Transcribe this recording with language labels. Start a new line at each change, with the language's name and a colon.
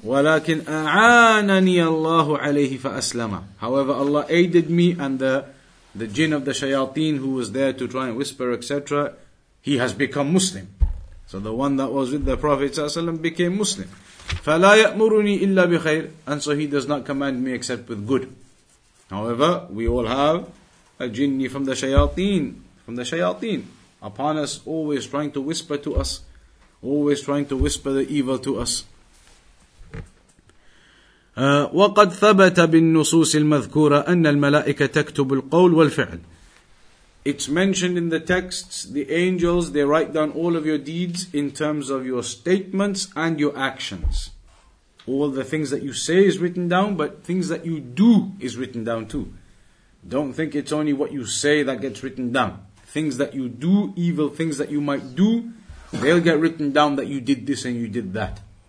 Arabic: ولكن أعانني الله عليه فأسلم.
English: However, Allah aided me, and the jinn of the shayateen who was there to try and whisper, etc. He has become Muslim. So the one that was with the Prophet ﷺ became Muslim.
Arabic: فلا يأمرني إلا بخير.
English: And so he does not command me except with good. However, we all have a jinni from the shayateen, upon us, always trying to whisper the evil to us.
Arabic: وقد ثبت بالنصوص المذكورة أن الملائكة تكتب القول والفعل.
English: It's mentioned in the texts, the angels, they write down all of your deeds in terms of your statements and your actions. All the things that you say is written down, but things that you do is written down too. Don't think it's only what you say that gets written down. Things that you do, evil things that you might do, they'll get written down that you did this and you did that.